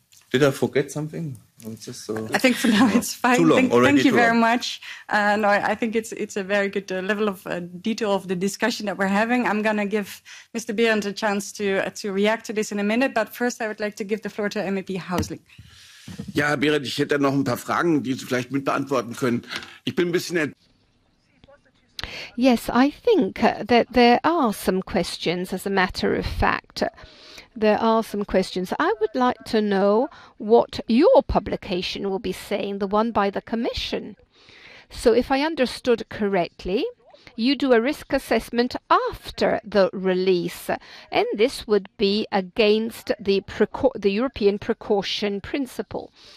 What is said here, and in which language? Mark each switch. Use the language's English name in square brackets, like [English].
[English] Did I forget something? I think for now it's fine. Too long. Thank you very much. I think it's a very good level of detail of the discussion that we're having. I'm going to give Mr. Behrendt a chance to react to this in a minute. But first, I would like to give the floor to MEP Hausling. [German] Ja, Herr Behrendt, ich hätte noch ein paar Fragen, die Sie vielleicht mit beantworten können. Ich bin ein bisschen [English] Yes, I think that there are some questions, as a matter of fact. There are some questions. I would like to know what your publication will be saying, the one by the Commission. So if I understood correctly, you do a risk assessment after the release, and this would be against the European precaution principle.